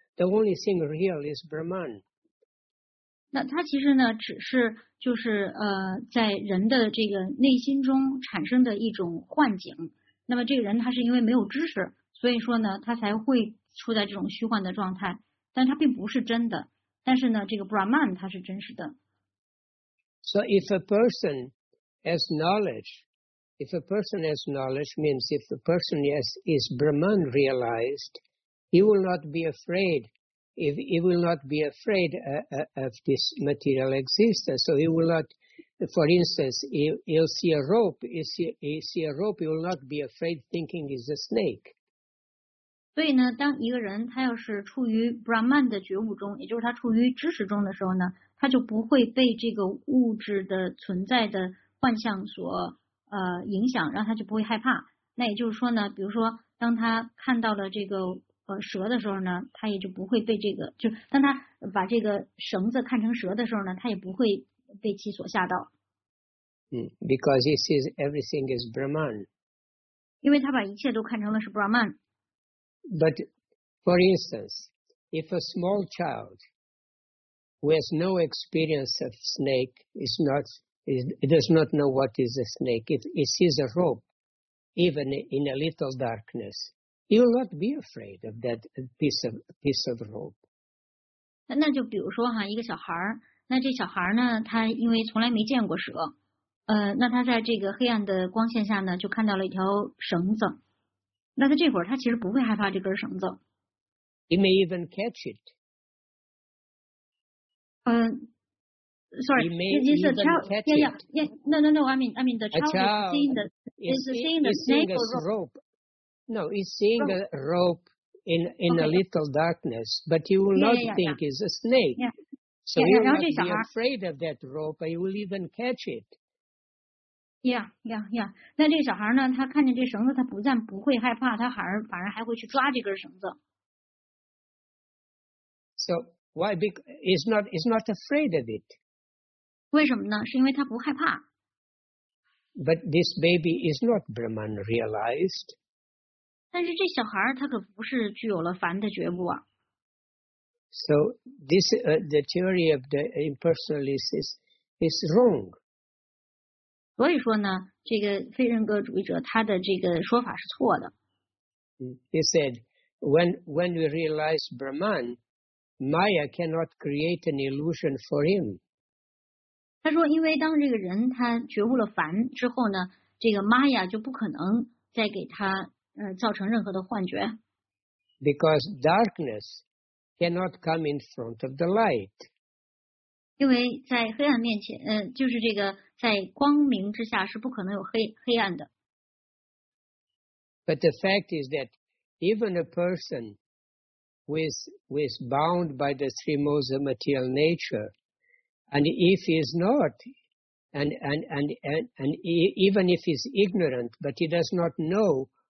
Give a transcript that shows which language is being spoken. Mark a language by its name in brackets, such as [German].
[English] The only thing real is Brahman. [Chinese] 那它其实呢，只是就是在人的这个内心中产生的一种幻境。那么这个人他是因为没有知识，所以说呢，他才会处在这种虚幻的状态。但他并不是真的，但是呢，这个 Brahman 他是真实的。 [English] So if a person has knowledge, if a person has knowledge means if the person is Brahman realized, he will not be afraid. If he will not be afraid of this material existence, so he will not. For instance, he'll see a rope. He'll see a rope. He will not be afraid, thinking it's a snake. [Chinese] 所以呢，当一个人他要是处于 Brahman 的觉悟中，也就是他处于知识中的时候呢，他就不会被这个物质的存在的幻象所影响，让他就不会害怕。那也就是说呢，比如说当他看到了这个蛇的时候呢，他也就不会被这个，就当他把这个绳子看成蛇的时候呢，他也不会被其所吓到。 [English] Because he sees everything is Brahman. [Chinese] 因为他把一切都看成了是 Brahman。 [English] But for instance, if a small child who has no experience of snake does not know what is a snake, if he sees a rope, even in a little darkness,He will not be afraid of that piece of rope. [Chinese] 那就比如说哈，一个小孩，那这小孩呢，他因为从来没见过蛇，那他在这个黑暗的光线下呢，就看到了一条绳子。那他这会儿他其实不会害怕这根绳子。 [English] He may even catch it. Sorry, the child is seeing the snake or rope. No, he's seeing a rope in a little darkness, but he will not think it's a snake. Yeah. So he will not be afraid of that rope, but he will even catch it. [Chinese] Yeah. 那这个小孩呢，他看见这绳子，他不但不会害怕，他反而还会去抓这根绳子。 [English] So why? Because he's not afraid of it. [Chinese] 为什么呢？是因为他不害怕。 [English] But this baby is not Brahman realized. [Chinese] 但是这小孩他可不是具有了凡的觉悟啊。 [English] So this the theory of the impersonalist is wrong. [Chinese] 所以说呢，这个非人格主义者他的这个说法是错的。 [English] He said, when we realize Brahman, Maya cannot create an illusion for him. [Chinese] 他说，因为当这个人他觉悟了凡之后呢，这个 Maya 就不可能再给他。造成任何的幻觉。 [English] Because darkness cannot come in front of the light. [Chinese] 因为在黑暗面前，就是这个在光明之下是不可能有黑暗的。 [English] But the fact is that even a person who is bound by the three modes of material nature, and if he is not, and even if he is ignorant, but he does not know.